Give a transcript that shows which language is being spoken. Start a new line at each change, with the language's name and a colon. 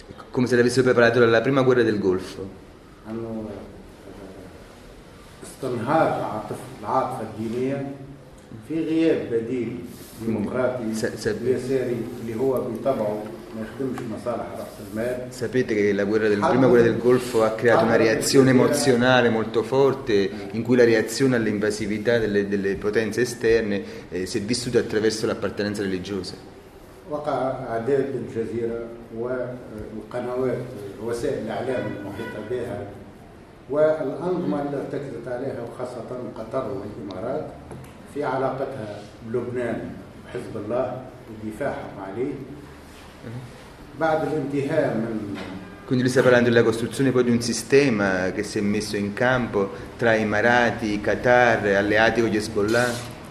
Italian: Come se l'avessero preparato alla prima guerra del Golfo.
Arabic: في غياب بديل ديمقراطي يساري اللي هو بطبعه ما يخدمش مصالح رأس المال.
Italian: Sapete che la guerra del prima guerra del Golfo ha creato una reazione emozionale molto forte, in cui la reazione all'invasività delle potenze esterne si è vissuta attraverso l'appartenenza religiosa.
Arabic: وقع عداد الجزيرة والقنوات وسائل الإعلام المحيطة بها والأنظمة اللي ارتكزت عليها وخاصة قطر والإمارات في علاقتها بلبنان وحزب الله ودفاعهم عليه بعد الانتهاء من.
Italian: Quindi lui sta parlando della costruzione poi di un sistema che si è messo in campo tra Emirati, Qatar, alleati con gli Hezbollah.